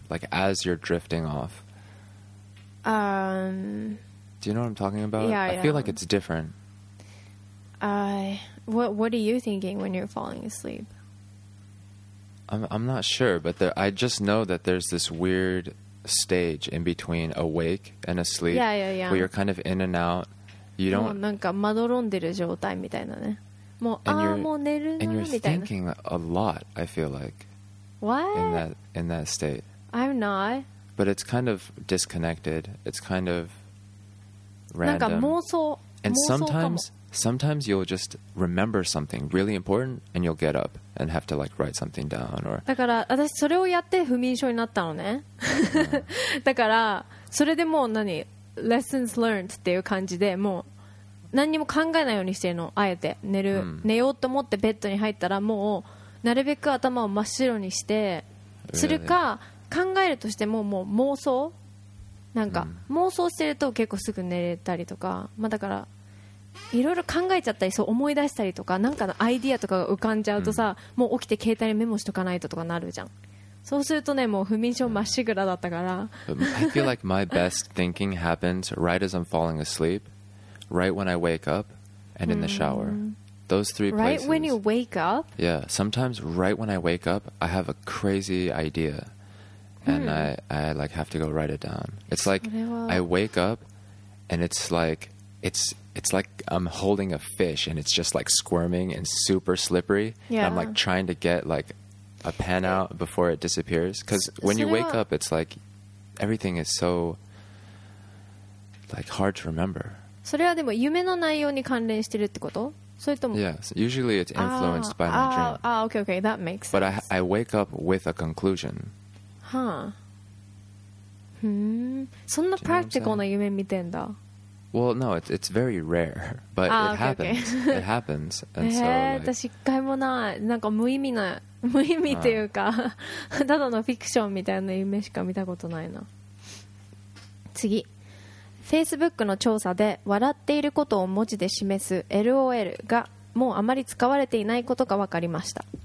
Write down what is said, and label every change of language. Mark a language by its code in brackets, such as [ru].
[en] Like as you're drifting off? Do you know what I'm talking about? Yeah, I feel like it's different. What are you thinking when you're falling asleep? I'm not sure, but I just know that there's this weird stage in between awake and asleep. Yeah, yeah, yeah. Where you're kind of in and out. You don't. [ja] もうなんかまどろんでる状態みたいなね。もう、ああ、もう寝るな、 [en] and you're thinking a lot, I feel like. What? In that state. I'm not. But it's kind of disconnected. It's kind of random. [ja] なんか妄想。 [en] And sometimes you'll just remember something really important and you'll get up and have to like write something down or... [ja] だから私それをやって不眠症になったのね。だからそれでもう何 [en] lessons learned [ja] っていう感じで、もう何にも考えないようにしてるの、あえて寝ようと思ってベッドに入ったら、もうなるべく頭を真っ白にしてするか、考えるとしてももう妄想、なんか妄想してると結構すぐ寝れたりとか、まあだからいろいろ考えちゃったり、そう思い出したりとか、なんかのアイディアとかが浮かんじゃうとさ、もう起きて携帯にメモしとかないととかなるじゃん。そうするとね、もう不眠症まっしぐらだったから。 [en] I feel like my best thinking happens right as I'm falling asleep, right when I wake up, and in the shower. Those three places. Right when you wake up? Yeah, sometimes right when I wake up, I have a crazy idea, and I like have to go write it down. It's like I wake up, and it's like I'm holding a fish and it's just like squirming and super slippery. Yeah. I'm like trying to get like a pen out before it disappears. Because when you wake up, it's like everything is so like hard to remember. [ja] それはでも夢の内容に関連してるってこと？それとも [en] Yes, usually it's influenced by my dream. Okay, that makes sense. But I wake up with a conclusion. Huh. [ja] そんなプラクティカルな夢見てんだ。 [en] Well, no, it's very rare, but it happens. Okay. It happens, and so. Like, [ja] 私一回もない。なんか無意味っていうか、ただのフィクションみたいな夢しか見たことないな。次、Facebook の調査で笑っていることを文字で示す LOL がもうあまり使われていないことが分かりました。